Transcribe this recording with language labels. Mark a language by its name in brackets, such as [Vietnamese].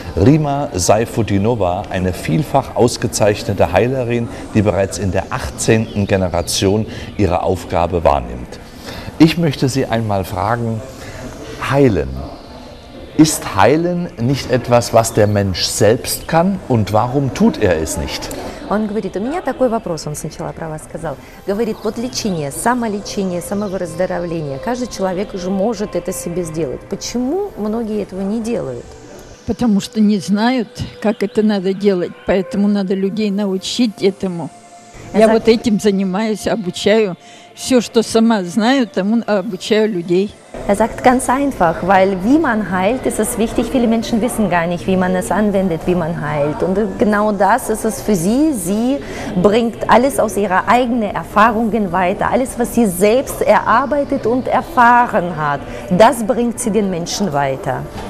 [German] Rima Saifuddinova, eine vielfach ausgezeichnete Heilerin, die bereits in der 18. Generation ihre Aufgabe wahrnimmt. Ich möchte Sie einmal fragen, heilen. Ist Heilen nicht etwas, was der Mensch selbst kann? Und warum tut er es nicht? [Russian] Он говорит, у меня такой вопрос, он сначала про вас сказал. Говорит, вот лечение, самолечение, самовыздоровление. Каждый человек уже может это себе сделать. Почему многие этого не делают? Потому что не знают, как это надо делать. Поэтому надо людей научить этому. Я вот этим занимаюсь, обучаю. Все, что сама знаю, тому обучаю людей. [German] Er sagt ganz einfach, weil wie man heilt, ist es wichtig. Viele Menschen wissen gar nicht, wie man es anwendet, wie man heilt. Und genau das ist es für sie. Sie bringt alles aus ihrer eigenen Erfahrungen weiter. Alles, was sie selbst erarbeitet und erfahren hat, das bringt sie den Menschen weiter.